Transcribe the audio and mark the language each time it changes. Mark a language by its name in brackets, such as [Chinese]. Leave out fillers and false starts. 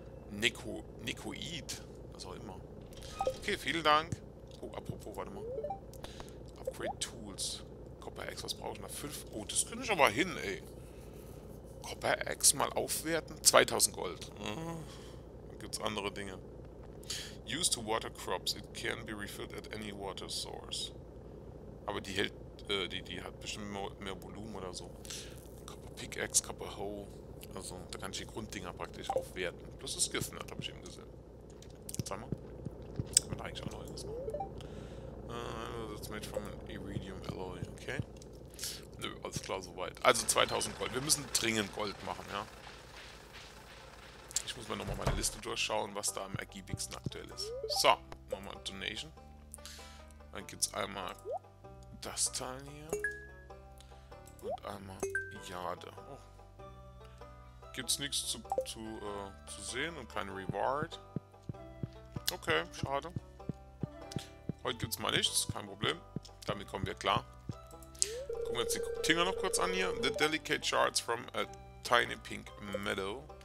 [German] Nikoid. Was auch immer. Okay, vielen Dank. Oh, apropos, warte mal. [English] Upgrade Tools. [German] Copper Axe, was brauche ich noch? 5. Oh, das könnte ich aber hin, ey. Copper Axe mal aufwerten? 2000 Gold. Oh, dann gibt es andere Dinge. [English] Used to water crops. It can be refilled at any water source. [German] Aber die hält. Die hat bestimmt mehr Volumen oder so. Copper Pickaxe, Copper Hoe. Also, da kann ich die Grunddinger praktisch aufwerten. Plus das Giffnet, habe ich eben gesehen. Zeig mal. Kann man da eigentlich auch noch irgendwas machen? [English] That's made from an Iridium Alloy, okay. [German] Nö, alles klar, soweit. Also 2000 Gold. Wir müssen dringend Gold machen, ja. Ich muss mal nochmal meine Liste durchschauen, was da am ergiebigsten aktuell ist. So, nochmal Donation. Dann gibt's einmal das Teil hier. Und einmal Jade. Oh. Gibt's nichts zu sehen und kein Reward. Okay, schade. Heute gibt es mal nichts, kein Problem. Damit kommen wir klar. Gucken wir uns die Dinger noch kurz an hier. [English] The Delicate Shards from a Tiny Pink Meadow.